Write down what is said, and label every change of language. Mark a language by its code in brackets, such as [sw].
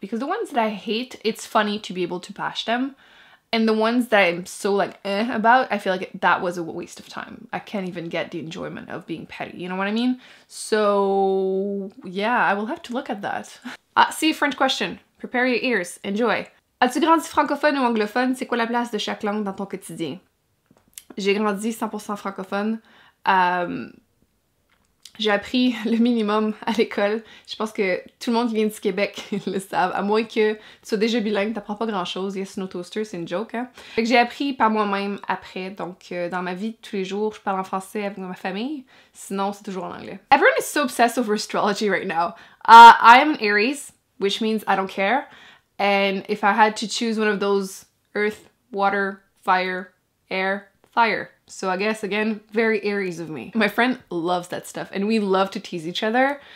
[en] Because the ones that I hate, it's funny to be able to bash them. And the ones that I'm so like, eh, about, I feel like that was a waste of time. I can't even get the enjoyment of being petty, you know what I mean? So, yeah, I will have to look at that. See, French question. Prepare your ears. Enjoy. [fr] As-tu grandi francophone ou anglophone, c'est quoi la place de chaque langue dans ton quotidien? J'ai grandi 100% francophone. J'ai appris le minimum à l'école. Je pense que tout le monde qui vient du Québec le savent. À moins que tu sois déjà bilingue, t'apprends pas grand-chose. [en] Yes, no toaster, [fr] c'est une joke, hein? Fait que j'ai appris par moi-même après. Donc, dans ma vie de tous les jours, je parle en français avec ma famille. Sinon, c'est toujours en anglais. [en] Everyone is so obsessed over astrology right now. I am an Aries, which means I don't care. And if I had to choose one of those earth, water, fire, air, fire. So I guess, again, very Aries of me. My friend loves that stuff, and we love to tease each other.